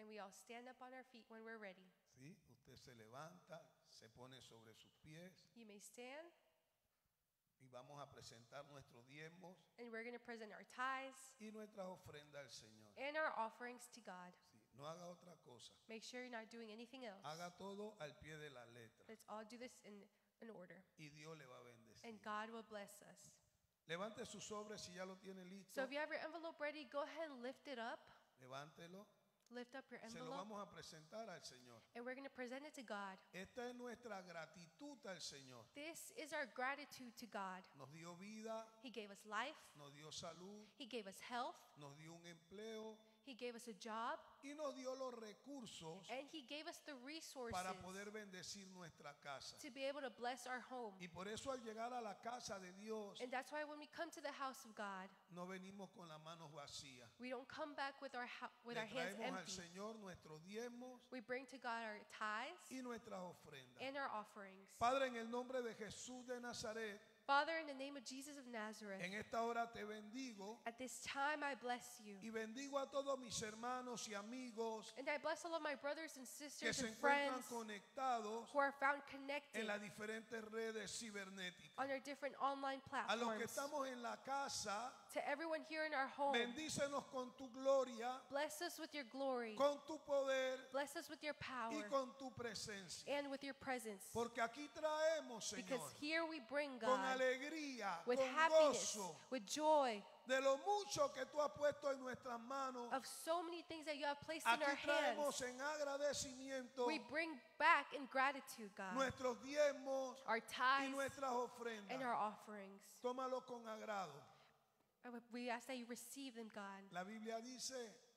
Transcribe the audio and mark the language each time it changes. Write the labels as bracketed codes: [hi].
[en] And we all stand up on our feet when we're ready. [es] Sí, usted se levanta, se pone sobre sus pies. [en] You may stand. [es] Y vamos a presentar nuestros diezmos. [en] And we're going to present our tithes. [es] Y nuestras ofrendas al Señor. [en] And our offerings to God. [es] Sí, no haga otra cosa. [en] Make sure you're not doing anything else. [es] Haga todo al pie de la letra. [en] Let's all do this in order. [es] Y Dios le va a bendecir. [en] And God will bless us. [es] Levante su sobre si ya lo tiene listo. [en] So if you have your envelope ready, go ahead and lift it up. [es] Levántelo. [en] Lift up your envelope. [es] Se lo vamos a presentar al Señor. [en] And we're going to present it to God. [es] Esta es nuestra gratitud al Señor. [en] This is our gratitude to God. [es] Nos dio vida. [en] He gave us life. [es] Nos dio salud. [en] He gave us health. [es] Nos dio un empleo. [en] He gave us a job. [es] Y nos dio los recursos. [en] And he gave us the resources. [es] Para poder bendecir nuestra casa. [en] To be able to bless our home. [es] Y por eso al llegar a la casa de Dios. [en] And that's why when we come to the house of God. [es] No venimos con las manos vacías. [en] We don't come back with our hands empty. [es] Le traemos al Señor nuestros diezmos. [en] We bring to God our tithes. [es] Y nuestras ofrendas. [en] And our offerings. [es] Padre, en el nombre de Jesús de Nazaret. [en] Father, in the name of Jesus of Nazareth, [es] en esta hora te bendigo, [en] at this time I bless you. [es] Y bendigo a todos mis hermanos y amigos, [en] and I bless all of my brothers and sisters [es] que se [en] and friends [es] conectados [en] who are found connected [es] en las diferentes redes cibernéticas, [en] on our different online platforms. [es] A los que estamos en la casa, [en] to everyone here in our home, [es] bendícenos con tu gloria, [en] bless us with your glory, [es] con tu poder, [en] bless us with your power, [es] y con tu presencia, [en] and with your presence. [es] Porque aquí traemos, Señor, [en] because here we bring God. [es] Con alegría, [en] with [es] con [en] happiness, [es] gozo, [en] with joy, [es] de lo mucho que tú has puesto en nuestras manos, [en] of so many things that you have placed in our hands. [es] Aquí traemos en agradecimiento, [en] we bring back in gratitude, God, [es] nuestros diezmos, [en] our tithes, [es] y nuestras ofrendas, [en] and our offerings. [es] Tómalo con agrado. [en] We ask that you receive them, God. [es] La Biblia dice,